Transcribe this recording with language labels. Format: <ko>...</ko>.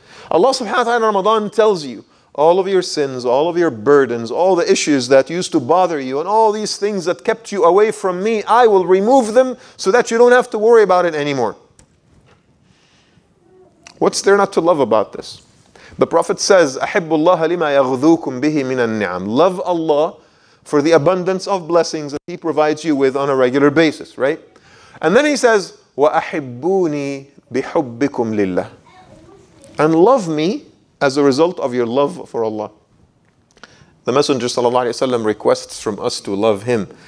<en>Allah subhanahu wa ta'ala in Ramadan tells you, all of your sins, all of your burdens, all the issues that used to bother you, and all these things that kept you away from me, I will remove them so that you don't have to worry about it anymore. What's there not to love about this? The Prophet says,</en> <ar>أَحِبُّ اللَّهَ لِمَا يَغْذُوكُمْ بِهِ مِنَ النِّعَمِ.</ar> <en>Love Allah for the abundance of blessings that He provides you with on a regular basis, right? And then He says,</en> <ar>وَأَحِبُّونِي بحبكم لله.</ar> <en>And love me as a result of your love for Allah. The Messenger sallallahu alayhi wa sallam requests from us to love him.</en>